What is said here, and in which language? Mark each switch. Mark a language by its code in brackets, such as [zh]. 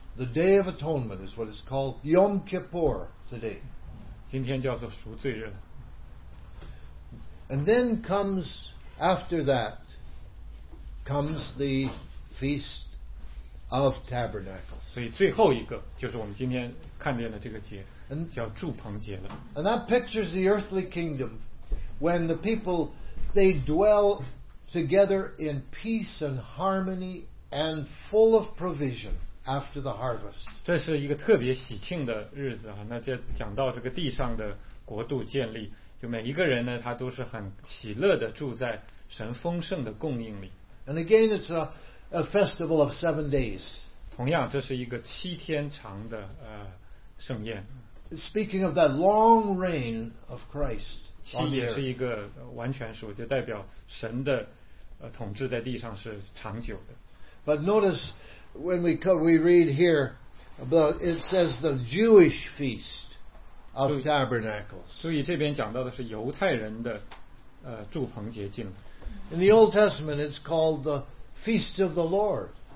[en] The Day of Atonement is what is called Yom Kippur today. [zh] 今天叫做赎罪日。 [en] And then comes after that comes the Feast of Tabernacles. [zh] 所以最后一个就是我们今天看见的这个节叫祝棚节了。 [en] And that pictures the earthly kingdom when the people they dwell together in peace and harmony and full of provision after the harvest. [zh] 这是一个特别喜庆的日子啊，那就讲到这个地上的国度建立，就每一个人呢他都是很喜乐的住在神丰盛的供应里。 [en] And again it's a festival of 7 days. [zh] 同样这是一个七天长的盛宴。 [en] Speaking of that long reign of Christ. [zh] 七也是一个完全数，就代表神的统治在地上是长久的。 [en] But notice when we read here about it says the Jewish feast of tabernacles. [zh] 所以这边讲到的是犹太人的祝棚节敬。 [en] In the Old Testament, it's called the Feast of the Lord.